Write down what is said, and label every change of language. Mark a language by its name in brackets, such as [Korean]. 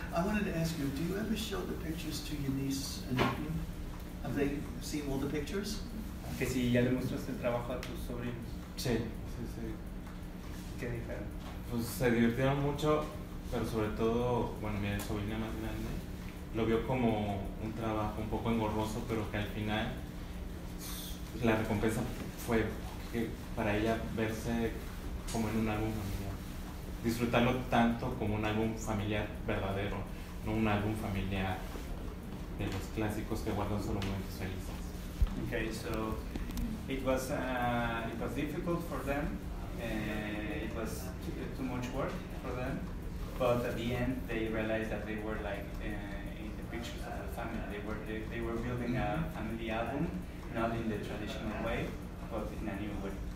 [English] I wanted to ask you, do you ever show the pictures to your niece and nephew? Have they seen all the pictures? [Spanish] Que si ya le muestras el trabajo a tus sobrinos. Sí. ¿Qué dijeron? Pues se divirtieron mucho, pero sobre todo, bueno, mi sobrina más grande lo vio como un trabajo un poco engorroso, pero que al final la recompensa fue que para ella verse como en un álbum familiar, disfrutarlo tanto como un álbum familiar verdadero, no un álbum familiar de los clásicos que guardan solo momentos felices. [English] Okay, so it was difficult for them, it was too much work for them, but at the end they realized that they were like in the pictures of the family, they were building a family album, not in the traditional way, but in a new way.